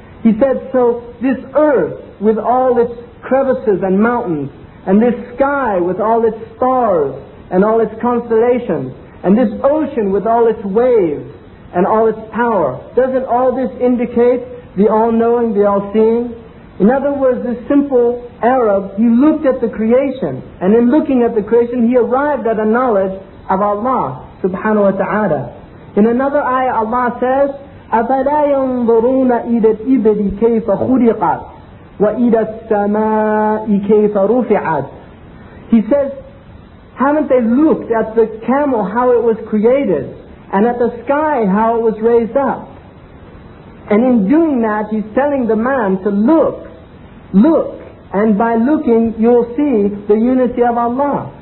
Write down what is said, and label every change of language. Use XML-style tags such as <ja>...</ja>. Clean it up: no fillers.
<en>He said, so this earth with all its crevices and mountains, and this sky with all its stars and all its constellations, and this ocean with all its waves and all its power, doesn't all this indicate the all-knowing, the all-seeing? In other words, this simple Arab, he looked at the creation, and in looking at the creation, he arrived at a knowledge of Allah subhanahu wa ta'ala. In another ayah, Allah says,</en> <ar>أَفَلَا يَنظُرُونَ إِلَى الْإِبْلِ كَيْفَ خُلِقَتْ وَإِلَى السَّمَاءِ كَيْفَ رُفِعَتْ.</ar> <en>He says, haven't they looked at the camel, how it was created, and at the sky, how it was raised up? And in doing that, he's telling the man to look, look, and by looking, you'll see the unity of Allah.</en>